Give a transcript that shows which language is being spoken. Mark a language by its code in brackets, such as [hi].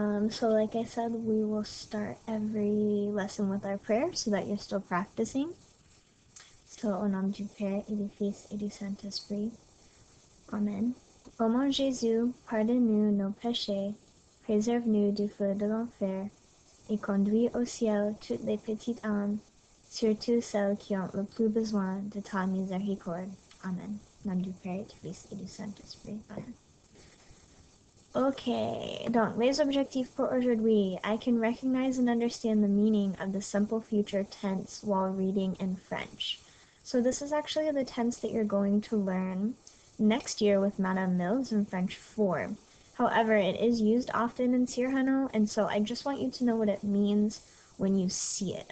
[en] So like I said, we will start every lesson with our prayer so that you're still practicing. [fr] So, au nom du Père et du Fils et du Saint-Esprit. Amen. Au nom de Jésus, pardonne-nous nos péchés, préserve-nous du feu de l'enfer, et conduis au ciel toutes les petites âmes, surtout celles qui ont le plus besoin de ta miséricorde. Amen. Nom du Père, du Fils et du Saint-Esprit. Ok, donc les objectifs pour aujourd'hui. [en] I can recognize and understand the meaning of the simple future tense while reading in French. So this is actually the tense that you're going to learn next year with Madame Mills in French 4. However, it is used often in Cyrano, and so I just want you to know what it means when you see it.